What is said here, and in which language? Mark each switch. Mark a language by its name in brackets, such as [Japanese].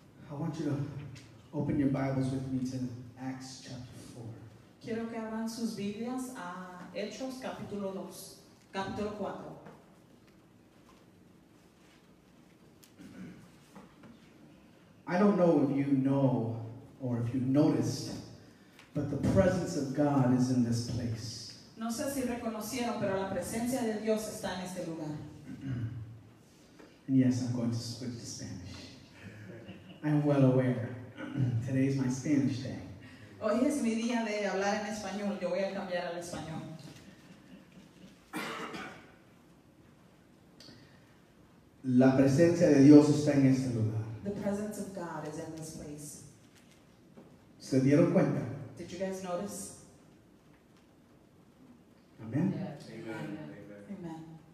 [English] I want you to open your Bibles with me to Acts chapter 4. [Spanish] Quiero que abran sus Biblias a Hechos capítulo 2, capítulo 4. [English] I don't know if you know or if you noticed, but the presence of God is in this place. [Spanish] No sé si reconocieron, pero la presencia de Dios está en este lugar. [English] And yes, I'm going to switch to Spanish. I'm well aware. Today is my Spanish day. [Spanish] Hoy es mi día de hablar en español. Yo voy a cambiar al español. La presencia de Dios está en este lugar. [English] The presence of God is in this place. [Spanish] ¿Se dieron cuenta? [English] Did you guys notice? Amen. Yeah. Amen. Amen. Amen.